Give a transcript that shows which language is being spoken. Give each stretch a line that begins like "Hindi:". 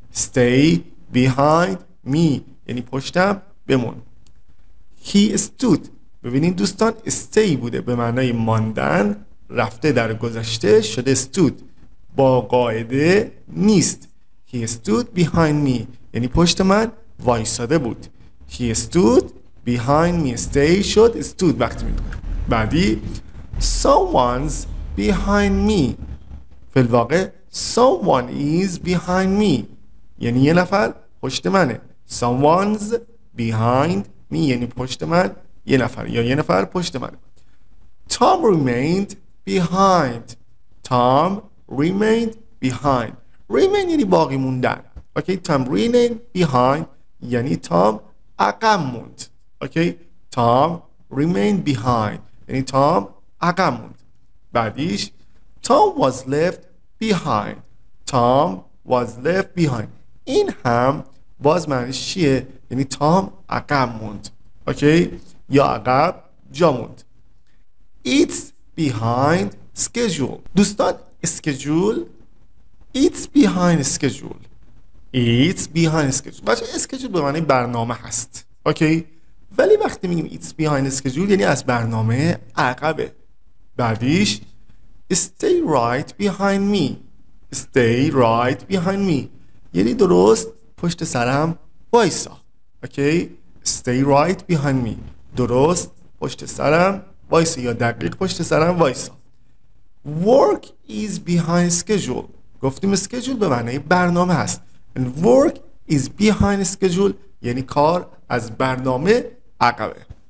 English: stay behind me
Persian: یعنی پشتم بمون.
English: he stood،
Persian: ببینید دوستان stay بوده به معنای ماندن، رفته در گذشته شده stood، با قاعده نیست.
English: he stood behind me
Persian: یعنی پشت من وایساده بود.
English: he stood behind me، stay
Persian: شد
English: stood
Persian: وقتی میگه. بعدی
English: someone's behind me،
Persian: فی الواقع
English: someone is behind me
Persian: یعنی یه نفر پشت منه.
English: someone's behind me
Persian: یعنی پشت من یه نفر، یا یه نفر پشت منه.
English: Tom remained behind، Tom remained behind، remain
Persian: یعنی باقی موندن. اوکی،
English: Tom remained behind
Persian: یعنی Tom عقب موند. اوکی،
English: Tom remained behind
Persian: یعنی تام عقب موند. بعدیش تام
English: was left behind،
Persian: تام was left behind، این هم باز معنیش چیه؟ یعنی تام عقب موند. اوکی؟ یا عقب جا موند.
English: it's behind schedule، دوستان schedule، it's behind schedule، it's behind schedule.
Persian: بچه schedule به معنی برنامه هست. اوکی؟ ولی وقتی میگیم
English: it's behind schedule
Persian: یعنی از برنامه عقبه. بعدیش
English: stay right behind me، stay right behind me
Persian: یعنی درست پشت سرم وایسا. اوکی،
English: stay right behind me،
Persian: درست پشت سرم وایسا، یا دقیق پشت سرم وایسا.
English: work is behind schedule،
Persian: گفتیم schedule به معنی برنامه هست.
English: and work is behind schedule
Persian: یعنی کار از برنامه عقبه.